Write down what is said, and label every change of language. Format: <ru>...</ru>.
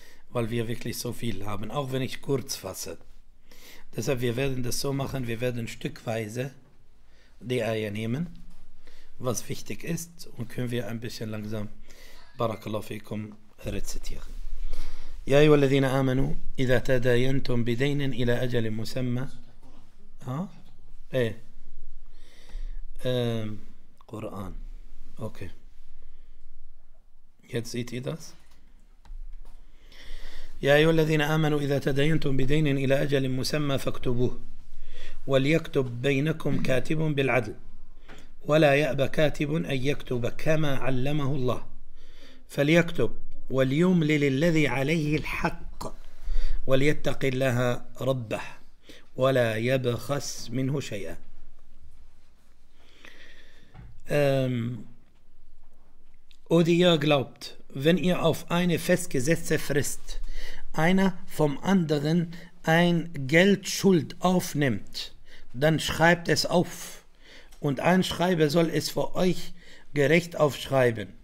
<de>Weil wir wirklich so viel haben, auch wenn ich kurz fasse. Deshalb, wir werden das so machen, wir werden stückweise die Eier nehmen, was wichtig ist, und können wir ein bisschen langsam, Barakallahu fikum, rezitieren.</de> <ar>يا أيها الذين آمنوا إذا تداينتم بدين إلى أجل مسمى ها إيه قرآن أوكي</ar> <de>Jetzt seht ihr das.</de> <ar>يا أيها الذين آمنوا إذا تداينتم بدين إلى أجل مسمى فاكتبوه وليكتب بينكم كاتب بالعدل ولا يأبى كاتب أن يكتب كما علمه الله فليكتب وليملل الذي عليه الحق وليتق الله ربه ولا يبخس منه شيئا.</ar> <de>O die ihr glaubt, wenn ihr auf eine festgesetzte Frist einer vom anderen ein Geldschuld aufnimmt, dann schreibt es auf. Und ein Schreiber soll es für euch gerecht aufschreiben.</de>